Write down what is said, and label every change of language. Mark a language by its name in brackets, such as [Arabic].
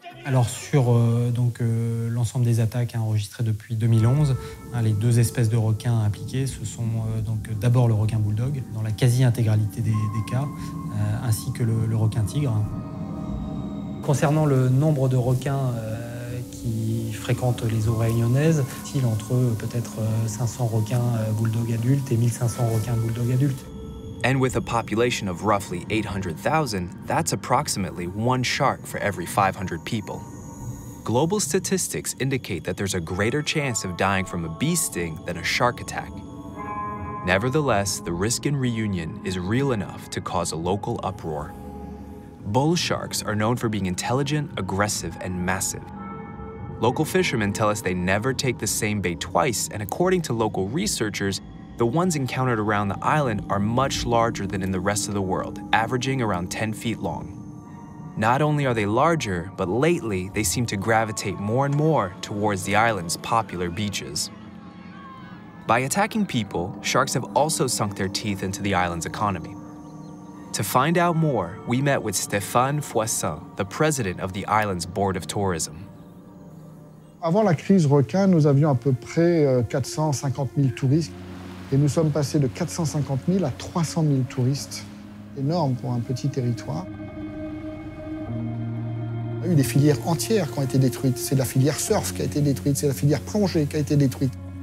[French] Alors sur l'ensemble des attaques enregistrées depuis 2011, hein, les deux espèces de requins impliquées, ce sont d'abord le requin bulldog, dans la quasi-intégralité des cas, ainsi que le requin tigre. Concernant le nombre de requins qui fréquentent les eaux réunionnaises, il y a entre eux peut-être 500 requins bulldog adultes et 1500 requins bulldog adultes. [English] And with a population of roughly 800,000, that's approximately one shark for every 500 people. Global statistics indicate that there's a greater chance of dying from a bee sting than a shark attack. Nevertheless, the risk in Reunion is real enough to cause a local uproar. Bull sharks are known for being intelligent, aggressive, and massive. Local fishermen tell us they never take the same bait twice, and according to local researchers, the ones encountered around the island are much larger than in the rest of the world, averaging around 10 feet long. Not only are they larger, but lately they seem to gravitate more and more towards the island's popular beaches. By attacking people, sharks have also sunk their teeth into the island's economy. To find out more, we met with Stéphane Foissin, the president of the island's board of tourism. [French] Avant la crise requin, nous avions à peu près 450 000 touristes. Et nous sommes passés de 450 000 à 300 000 touristes. Énorme pour un petit territoire. Il y a eu des filières entières qui ont été détruites. C'est la filière surf qui a été détruite, c'est la filière plongée qui a été détruite.